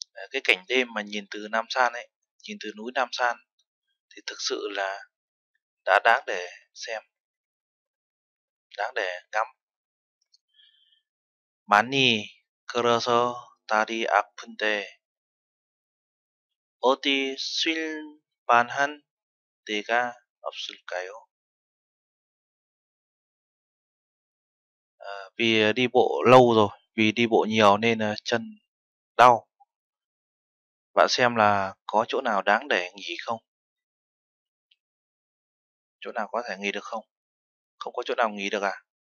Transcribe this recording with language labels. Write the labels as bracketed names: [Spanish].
[Vietnamese] Cái cảnh đêm mà nhìn từ Nam San ấy, nhìn từ núi Nam San thì thực sự là đã đáng để xem. Đáng để ngắm. [Korean] 많이 걸어서 다리 아픈데 어디 쉴 만한 데가 없을까요? [Vietnamese] vì đi bộ lâu rồi, vì đi bộ nhiều nên là chân đau. Bạn xem là có chỗ nào đáng để nghỉ không? Chỗ nào có thể nghỉ được không? Không có chỗ nào nghỉ được à?